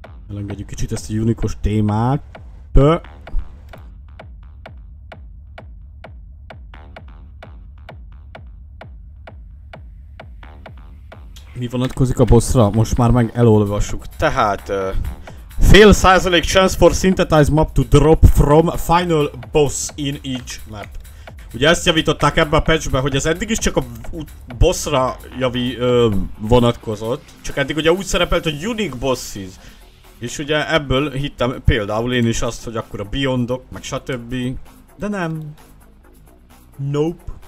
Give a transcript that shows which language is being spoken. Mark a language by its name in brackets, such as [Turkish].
[Hungarian] Elengedjük kicsit ezt a unikos témát. Pö. Mi vonatkozik a bossra? Most már meg elolvassuk. Tehát... [English] fail 100% chance for synthetized map to drop from final boss in each map. [Hungarian] Ugye ezt javították ebbe a patchbe, hogy ez eddig is csak a bossra vonatkozott. Csak eddig ugye úgy szerepelt, hogy unique bosses. És ugye ebből hittem például én is azt, hogy akkor a Beyondok, meg stb. De nem. Nope.